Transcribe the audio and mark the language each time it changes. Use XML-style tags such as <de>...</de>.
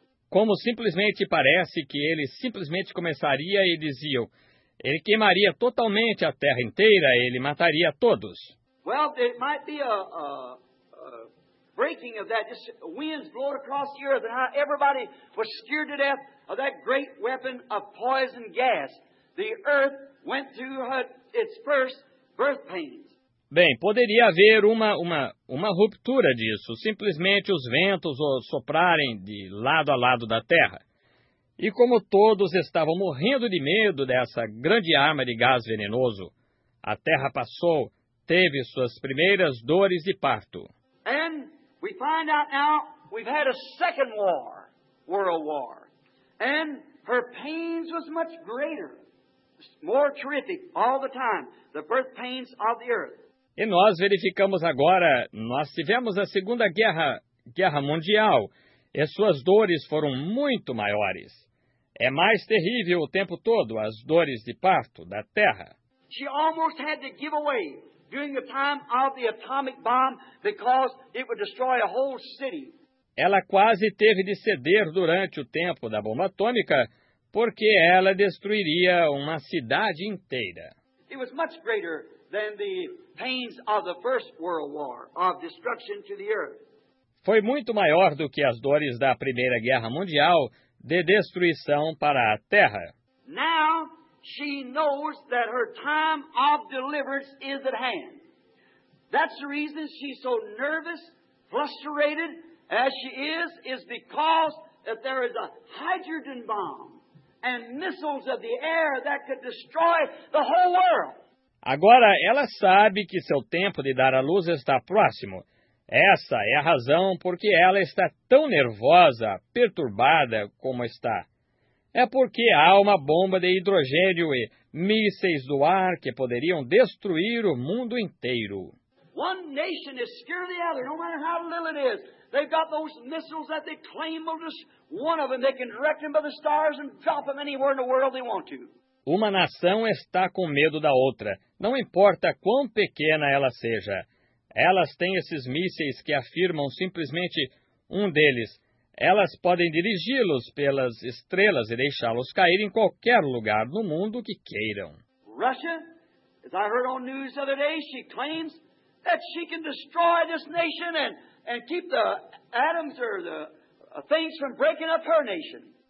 <pt>Como simplesmente parece que ele simplesmente começaria e diziam, ele queimaria totalmente a terra inteira, ele mataria todos.</pt> <en>Well, it might be a breaking of that, just winds blowing across the earth, and how everybody was scared to death of that great weapon of poison gas. The earth went through its first birth pains.</en> <pt>Bem, poderia haver uma ruptura disso, simplesmente os ventos soprarem de lado a lado da terra. E como todos estavam morrendo de medo dessa grande arma de gás venenoso, a terra passou, teve suas primeiras dores de parto.</pt> <en>And we find out now we've had a second war, world war. And her pains was much greater, more terrific all the time, the birth pains of the earth.</en> <pt>E nós verificamos agora, nós tivemos a Segunda Guerra Mundial, e suas dores foram muito maiores. É mais terrível o tempo todo, as dores de parto da Terra.</pt> <en>She almost had to give away during the time of the atomic bomb because it would destroy a whole city.</en> <pt>Ela quase teve de ceder durante o tempo da bomba atômica porque ela destruiria uma cidade inteira.</pt> <en>It was much greater than the pains of the First World War of destruction to the earth.</en> <pt>Foi muito maior do que as dores da Primeira Guerra Mundial de destruição para a Terra.</pt> <en>Now she knows that her time of deliverance is at hand. That's the reason she's so nervous, frustrated as she is because that there is a hydrogen bomb and missiles of the air that could destroy the whole world.</en> <pt>Agora, ela sabe que seu tempo de dar à luz está próximo. Essa é a razão porque ela está tão nervosa, perturbada como está. É porque há uma bomba de hidrogênio e mísseis do ar que poderiam destruir o mundo inteiro.</pt> <en>One nation is scared of the other, no matter how little it is. They've got those missiles that they claim will just one of them. They can direct them by the stars and drop them anywhere in the world they want to.</en> <pt>Uma nação está com medo da outra, não importa quão pequena ela seja. Elas têm esses mísseis que afirmam simplesmente um deles. Elas podem dirigi-los pelas estrelas e deixá-los cair em qualquer lugar no mundo que queiram.</pt> <en>Russia, as I heard on news the other day, she claims that she can destroy this nation and keep the atoms or the things from breaking up her nation.</en>